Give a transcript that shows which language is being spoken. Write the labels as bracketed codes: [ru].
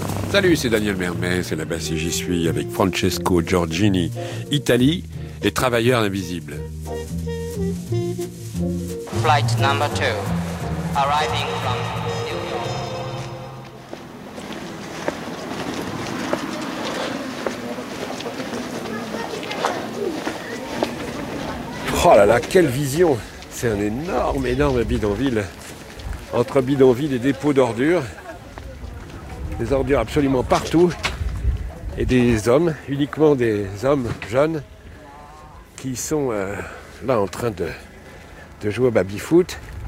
[fr] Salut, c'est Daniel Mermet, c'est là-bas si j'y suis, avec Francesco Giorgini, Italie, les travailleurs invisibles. [en] Flight number 2, arriving from New York. [fr] Oh là là, quelle vision! C'est un énorme, énorme bidonville. Entre bidonville et dépôt d'ordures. Des ordures absolument partout, et des hommes, uniquement des hommes jeunes, qui sont là en train de jouer au baby-foot.